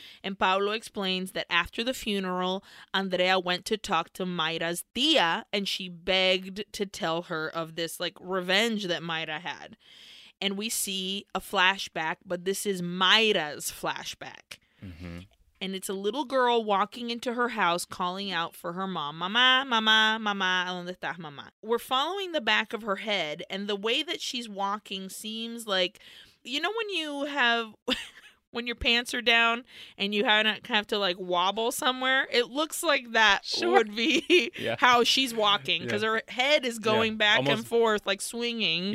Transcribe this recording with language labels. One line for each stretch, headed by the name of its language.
English: And Pablo explains that after the funeral, Andrea went to talk to Mayra's tia and she begged to tell her of this like revenge that Mayra had. And we see a flashback, but this is Mayra's flashback. Mm-hmm. And it's a little girl walking into her house calling out for her mom.
Spanish: Mama, mama, mama, ¿dónde estás, mama?
English: We're following the back of her head, and the way that she's walking seems like, you know when you have, when your pants are down and you have to like wobble somewhere? It looks like that would be how she's walking, because her head is going back almost and forth, like swinging.